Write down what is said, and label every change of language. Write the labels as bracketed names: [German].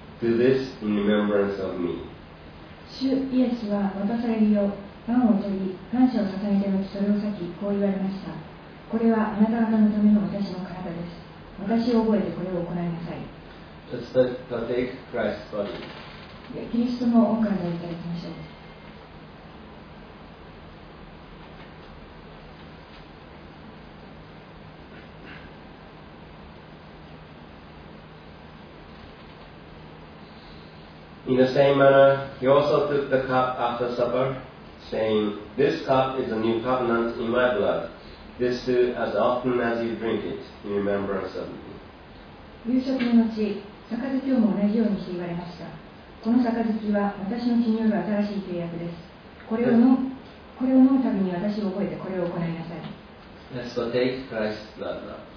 [English] Do this in remembrance of me. [Japanese] 主イエスは渡されるよう、パンを取り、感謝を捧げて後、それを先、こう言われました。これはあなた方のための私の体です。私を覚えてこれを行いなさい。 [English] Let's partake Christ's body. [Japanese] キリストの御体をいただきましょう。 [English] In the same manner, he also took the cup after supper, saying, This cup is a new covenant in my blood. This do as often as you drink it, in remembrance of me. [Japanese] 夕食の後、杯を同じようにして言われました。この杯は私の血による新しい契約です。これを飲むたびに私を覚えてこれを行いなさい。 [English] Let's take Christ's blood now.